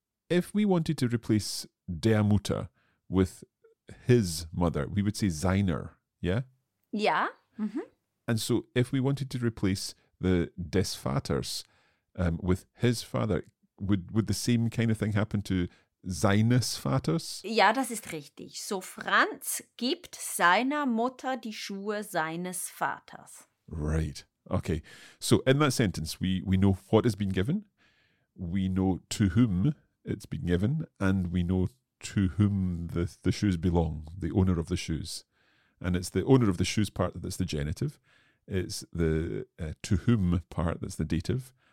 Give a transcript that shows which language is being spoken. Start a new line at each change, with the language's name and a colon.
English: If we wanted to replace
German: der Mutter
English: with his mother, we would say seiner, yeah?
German: Ja. Mm-hmm.
English: And so if we wanted to replace the
German: des Vaters
English: with his father, would the same kind of thing happen to
German: seines Vaters? Ja, das ist richtig. So Franz gibt seiner Mutter die Schuhe seines Vaters.
English: Right. Okay. So in that sentence, we know what has been given. We know to whom it's been given. And we know to whom the shoes belong, the owner of the shoes. And it's the owner of the shoes part that's the genitive. It's the to whom part that's the dative.